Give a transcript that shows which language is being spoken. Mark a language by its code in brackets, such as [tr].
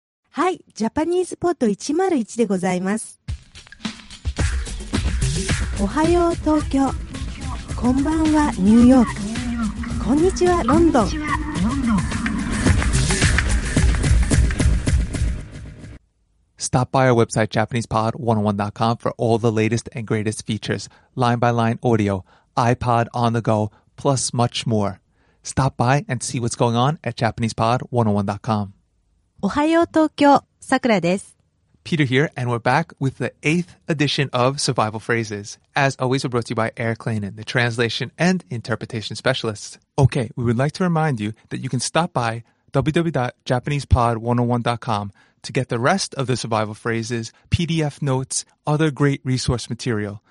[ja] はい、ジャパニーズポット101でございます。おはよう東京、こんばんはニューヨーク、こんにちはロンドン。 [en] Stop by our website JapanesePod101.com for all the latest and greatest features, line-by-line audio, iPod on the go, plus much more. Stop by and see what's going on at JapanesePod101.com. [ja] おはよう東京、さくらです。 [en] Peter here, and we're back with the 8th edition of Survival Phrases. As always, we're brought to you by Eric Lanin, the translation and interpretation specialist. Okay, we would like to remind you that you can stop by www.JapanesePod101.com to get the rest of the survival phrases, PDF notes, other great resource material.